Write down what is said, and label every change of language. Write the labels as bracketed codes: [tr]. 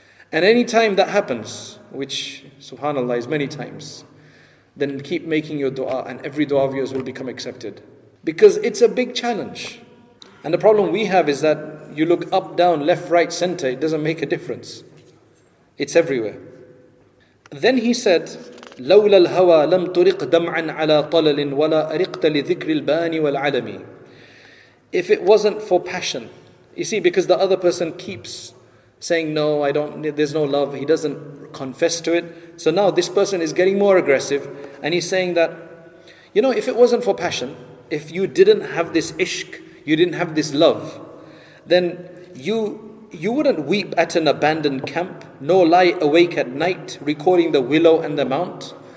[en] And any time that happens, which subhanAllah is many times, then keep making your dua and every dua of yours will become accepted. Because it's a big challenge. And the problem we have is that you look up, down, left, right, center, it doesn't make a difference. It's everywhere. Then he said, [ar] لولا الهوى لم ترق دمعا على طلل ولا أرقت لذكر الباني والعلم. [en] If it wasn't for passion, you see, because the other person keeps saying, no, I don't, there's no love, he doesn't confess to it. So now this person is getting more aggressive, and he's saying that, you know, if it wasn't for passion, if you didn't have this ishq, you didn't have this love, then you wouldn't weep at an abandoned camp, nor lie awake at night recording the willow and the mount.